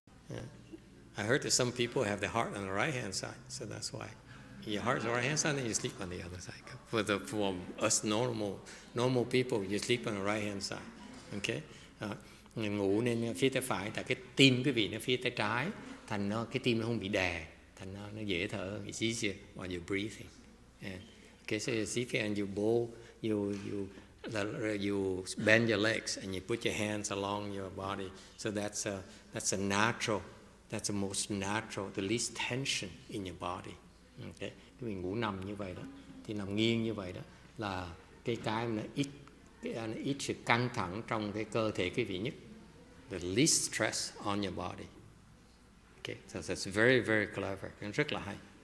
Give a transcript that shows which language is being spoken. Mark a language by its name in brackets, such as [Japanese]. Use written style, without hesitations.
[English] Yeah. I heard that some people have their heart on the right-hand side, so that's why. Your heart's on the right-hand side, then you sleep on the other side. For us normal people, you sleep on the right-hand side. Okay? [Vietnamese] Ngủ nên phía tay phải, tại cái tim quý vị nó phía tay trái, thành nó cái tim nó không bị đè, thành nó dễ thở, [English] it's easier while you're breathing. Yeah. Okay, so you sit and you bow, you bend your legs and you put your hands along your body, so that's a natural, that's the most natural, the least tension in your body. [Vietnamese] Okay, cái mình ngủ nằm như vậy đó, thì nằm nghiêng như vậy đó là cái nó ít sự căng thẳng trong cái cơ thể cái vị nhất, [English] the least stress on your body. Okay, so that's very very clever, and [Vietnamese] rất là hay.